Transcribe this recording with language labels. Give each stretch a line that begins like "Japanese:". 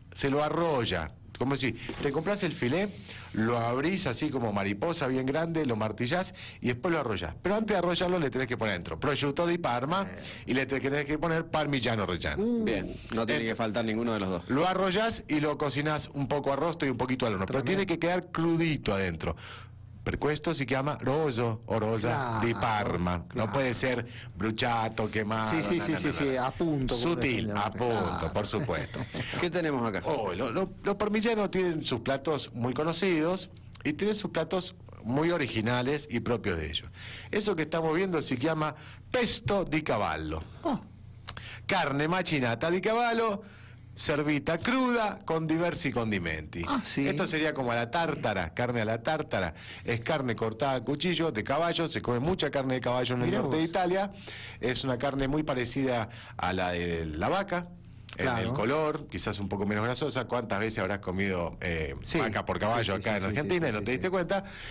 Spanish: Se lo arrolla. Como si te compras el filet, lo abrís así como mariposa, bien grande, lo martillás y después lo arrollás. Pero antes de arrollarlo le tenés que poner dentro prosciutto di Parma y le tenés que poner parmigiano reggiano. Bien, no tiene que faltar ninguno de los dos. Lo arrollás y lo cocinás un poco a rostro y un poquito al horno. Pero tiene que quedar crudito adentro.
Italian: Per questo si chiama Rosso o Rosa,
Spanish: claro,
Italian: di Parma.
Spanish: Claro.
Italian: Non può essere bruciato,
Spanish: quemato.
Italian: Sì, sì, sì, sì, sì, appunto.
Spanish: Sutil,
Italian: appunto,
Spanish: claro, por supuesto. ¿Qué tenemos acá? Oh, los parmigianos tienen sus platos muy conocidos y tienen sus platos muy originales y propios de ellos. Eso que estamos viendo se llama pesto di cavallo. Oh.
Italian: Carne macinata di cavallo, servita cruda con diversi condimenti.
Spanish: Ah, sí. Esto sería como la tártara, carne a la tártara. Es carne cortada a cuchillo de caballo, se come mucha carne de caballo en el norte de Italia. Es una carne muy parecida a la de la vaca. Claro. En el color, quizás un poco menos grasosa. ¿Cuántas veces habrás comido vaca por caballo en Argentina y no te diste cuenta?